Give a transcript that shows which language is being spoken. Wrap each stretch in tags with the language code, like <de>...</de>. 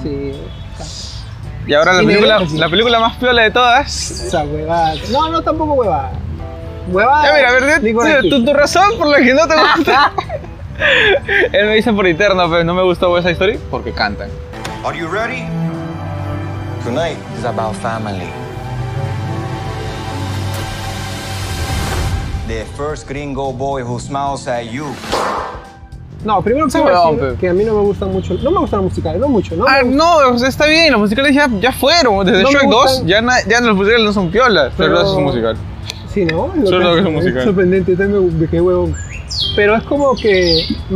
<es>Sí. Y ahora la película más piola de todas. Esa huevada. No, tampoco huevada. Huevada. Ya, mira, a ver, tu razón por la que no te gusta. Él me dice por interno, pero no me gustó esa historia porque cantan.</es> <en>Are you ready? Tonight is about family. The first gringo boy who smiles at you.</en> <es>No, primero sí, quiero decir que a mí no me gusta mucho. No me gustan los musicales, no mucho, ¿no? No, está bien, los musicales ya fueron. Desde no Shrek 2, ya los musicales no son piolas. Pero eso es un musical. Sí, ¿no? Es un musical. Es sorprendente, también qué huevón. Pero es como que...</es>